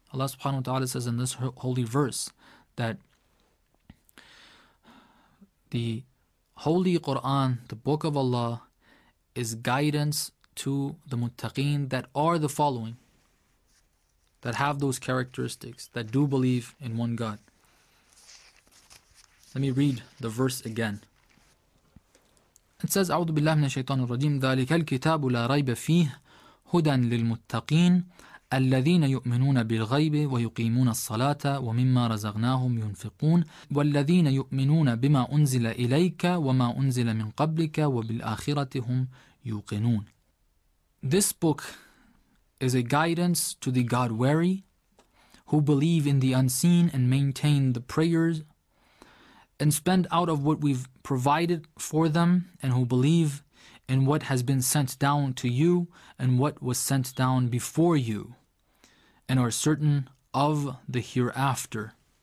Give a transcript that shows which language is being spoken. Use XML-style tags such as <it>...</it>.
<en>Allah subhanahu wa ta'ala says in this holy verse that the Holy Quran, the Book of Allah, is guidance to the muttaqeen that are the following, that have those characteristics, that do believe in one God. Let me read the verse again. It says,</en> <ar>أعوذ بالله من الشيطان الرجيم ذلك الكتاب لا ريب فيه هدى للمتقين الذين يؤمنون بالغيب ويقيمون الصلاة ومما رزقناهم ينفقون والذين يؤمنون بما أنزل إليك وما أنزل من قبلك وبالآخرة هم يوقنون.</ar> <en>This book is a guidance to the God-wary who believe in the unseen and maintain the prayers and spend out of what we've provided for them, and who believe in what has been sent down to you and what was sent down before you, and are certain of the hereafter.</en>